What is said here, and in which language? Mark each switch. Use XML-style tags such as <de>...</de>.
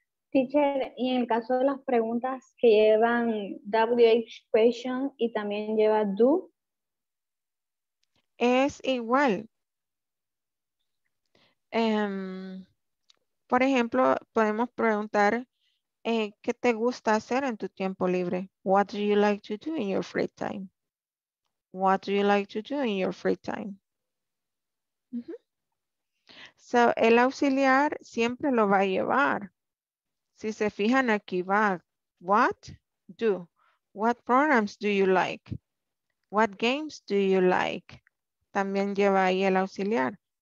<es>Teacher, y en el caso de las preguntas que llevan WH question y también lleva do. Es igual. Por ejemplo, podemos preguntar, ¿qué te gusta hacer en tu tiempo libre?</es> <en>What do you like to do in your free time? What do you like to do in your free time?</en> <es>So, el auxiliar siempre lo va a llevar. Si se fijan aquí va,</es> <en>what do? What programs do you like? What games do you like?</en> <es>También lleva ahí el auxiliar.</es>